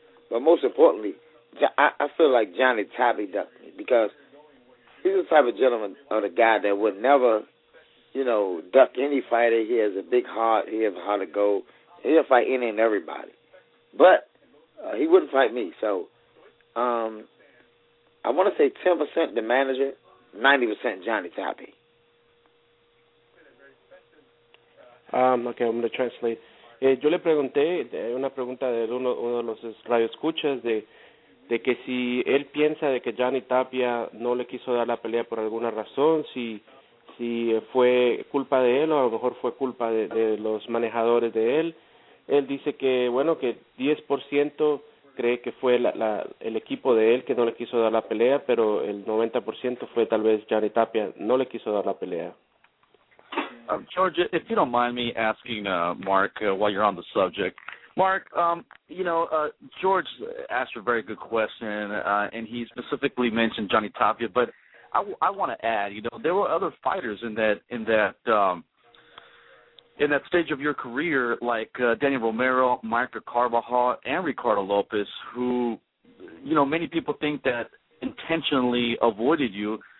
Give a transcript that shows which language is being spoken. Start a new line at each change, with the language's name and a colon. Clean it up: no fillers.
English: But most importantly, I feel like Johnny Tapia ducked me, because he's the type of gentleman or the guy that would never, you know, duck any fighter. He has a big heart. He has a heart of gold. He'll fight any and everybody. But he wouldn't fight me. So I want to say 10% the manager, 90% Johnny Tapia. Okay, I'm going to translate.
Spanish: Yo le pregunté, una pregunta de uno de los radioescuchas, de que si él piensa de que Johnny Tapia no le quiso dar la pelea por alguna razón, si fue culpa de él o a lo mejor fue culpa de los manejadores de él. Él dice que, bueno, que 10% cree que fue la el equipo de él que no le quiso dar la pelea, pero el 90% fue tal vez Gianni Tapia, no le quiso dar la pelea.
English: George, if you don't mind me asking Mark while you're on the subject. Mark, you know, George asked a very good question, and he specifically mentioned Gianni Tapia, but I want to add, you know, there were other fighters in that stage of your career, like Danny Romero, Michael Carvajal, and Ricardo Lopez, who, you know, many people think that intentionally avoided you.